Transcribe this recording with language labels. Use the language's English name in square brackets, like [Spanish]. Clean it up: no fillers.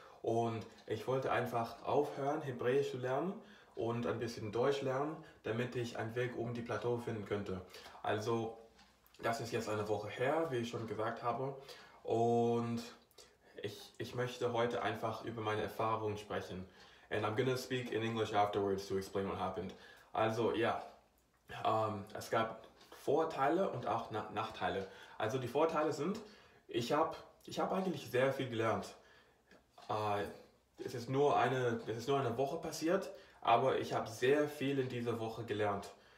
[German] Und ich wollte einfach aufhören, Hebräisch zu lernen und ein bisschen Deutsch lernen, damit ich einen Weg um die Plateau finden könnte. Also, das ist jetzt eine Woche her, wie ich schon gesagt habe. Und ich möchte heute einfach über meine Erfahrungen sprechen. [English] And I'm gonna speak in English afterwards to explain what happened. [German] Also, ja, es gab Vorteile und auch Nachteile. Also, die Vorteile sind, ich hab eigentlich sehr viel gelernt. Es ist nur eine Woche passiert. Aber ich habe sehr viel in dieser Woche gelernt.